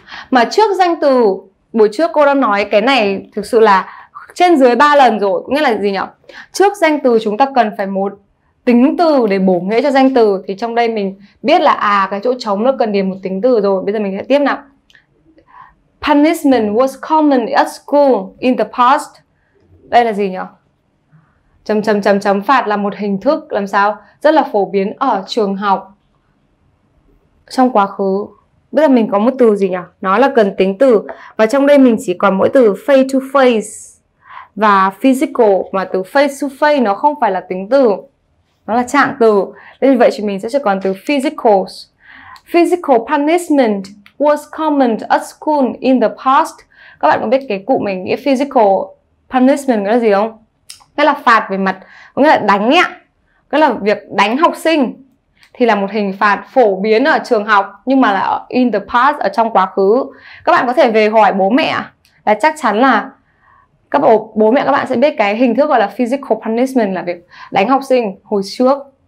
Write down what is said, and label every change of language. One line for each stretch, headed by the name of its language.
Vietnamese: Mà trước danh từ, buổi trước cô đã nói cái này thực sự là trên dưới 3 lần rồi. Nghĩa là gì nhỉ? Trước danh từ chúng ta cần phải một tính từ để bổ nghĩa cho danh từ. Thì trong đây mình biết là à, cái chỗ trống nó cần điền một tính từ rồi. Bây giờ mình sẽ tiếp nào.
English: Punishment was common at school in the past.
Vietnamese: Đây là gì nhỉ? Chấm chấm chấm chấm, phạt là một hình thức làm sao? Rất là phổ biến ở trường học trong quá khứ. Bây giờ mình có một từ gì nhỉ? Nó là cần tính từ. Và trong đây mình chỉ còn mỗi từ face to face và physical. Mà từ face to face nó không phải là tính từ, nó là trạng từ. Nên vậy thì mình sẽ chỉ còn từ physicals.
English: Physical punishment was common at school in the past.
Vietnamese: Các bạn có biết cái cụ mình nghĩa
English: physical punishment
Vietnamese: nghĩa là gì không? Nghĩa là phạt về mặt, nghĩa là đánh ạ. Nghĩa là việc đánh học sinh thì là một hình phạt phổ biến ở trường học, nhưng mà là
English: in the past,
Vietnamese: ở trong quá khứ. Các bạn có thể về hỏi bố mẹ là chắc chắn là các bố mẹ các bạn sẽ biết cái hình thức gọi là
English: physical punishment
Vietnamese: là việc đánh học sinh hồi trước.